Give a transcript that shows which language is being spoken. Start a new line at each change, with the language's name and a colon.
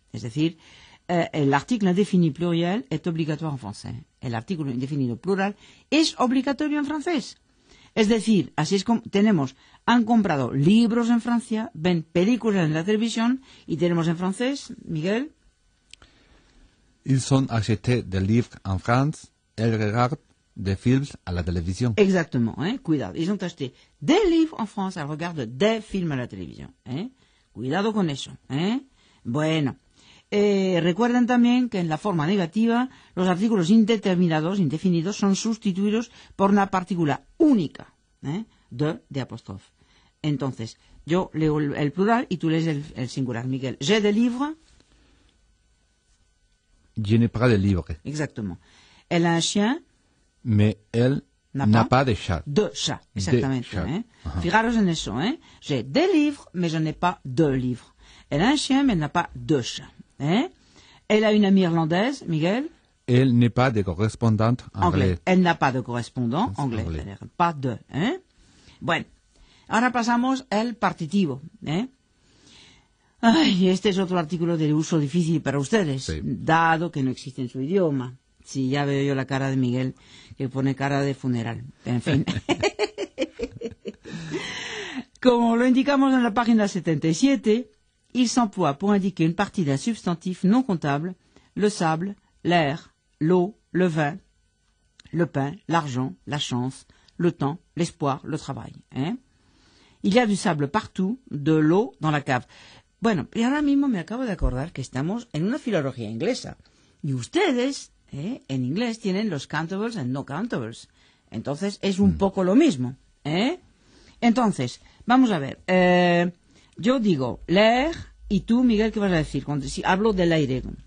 Spanish: Es decir, el artículo indefinido plural es obligatorio en francés. El artículo indefinido plural es obligatorio en francés. Es decir, así es como tenemos, han comprado libros en Francia, ven películas en la televisión y tenemos en francés, Miguel.
French: Ils ont acheté des livres en France, elles regardent des films à la télévision. Exactement, hein? Cuidado. Ils ont acheté des livres en France, elles regardent des films à la télévision.
Spanish: Hein? Cuidado con eso. Hein? Bueno. Recuerden también que en la forma negativa, los artículos indeterminados, indefinidos, son sustituidos por una partícula única, de apóstrofe. Entonces, yo leo el plural y tú lees el singular, Miguel.
French: J'ai des livres. Je n'ai pas de livres. Exactement. Elle a un chien. Mais elle n'a pas de chat. De chat, exactement. De chat.
Spanish: Fijaros en eso.
French: J'ai des livres, mais je n'ai pas de livres. Elle a un chien, mais elle n'a pas de chat. Elle a une amie irlandaise, Miguel. Elle n'est pas de correspondante anglais. Elle n'a pas de correspondant anglais. Pas de. Bueno.
Spanish: Ahora pasamos al partitivo. Ay, este es otro artículo de uso difícil para ustedes, sí. Dado que no existe en su idioma. Sí, ya veo yo la cara de Miguel, que pone cara de funeral. En fin. Como lo indicamos en la página 77,
French: il s'emploie pour indiquer une partie d'un substantif non comptable, le sable, l'air, l'eau, le vin, le pain, l'argent, la chance, le temps, l'espoir, le travail. Hein? Il y a du sable partout, de l'eau dans la cave.
Spanish: Bueno, y ahora mismo me acabo de acordar que estamos en una filología inglesa. Y ustedes, en inglés, tienen los
English: countables and no countables.
Spanish: Entonces, es un poco lo mismo. Entonces, vamos a ver. Yo digo l'air, y tú, Miguel, ¿qué vas a decir? Cuando, si hablo del aire.